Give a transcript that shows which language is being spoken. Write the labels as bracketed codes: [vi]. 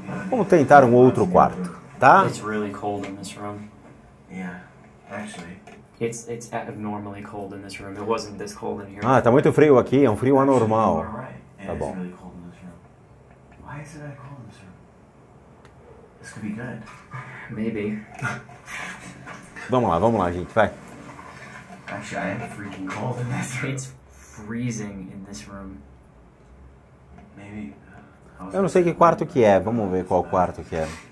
[pt] Vamos tentar um outro quarto, tá? [en] It's really cold in this room. Yeah, actually. It's abnormally cold in this room. It wasn't this cold in here. [pt] Ah, tá muito frio aqui, é um frio anormal. Tá bom. [en] Why is it that cold? This could be good. Maybe. [pt] Vamos lá, gente, vai. [en] Actually, I am freaking cold in this room. It's freezing in this room. Maybe... [pt] Eu não sei que quarto que é, vamos ver qual quarto que é.